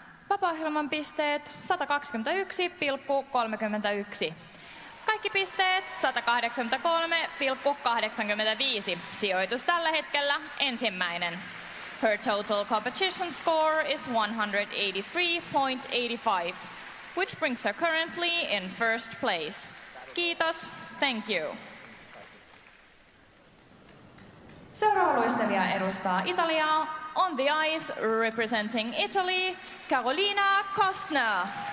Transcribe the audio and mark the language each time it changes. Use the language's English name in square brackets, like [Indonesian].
[Finnish] Vapaa-ohjelman pisteet 121,31. Kaikki pisteet 183,85. Sijoitus tällä hetkellä ensimmäinen. [English] Her total competition score is 183,85, which brings her currently in first place. [Finnish] Kiitos. [English] Thank you. [Finnish] Seuraava luistelija edustaa Italiaa. [English] On the ice, representing Italy, Carolina Kostner.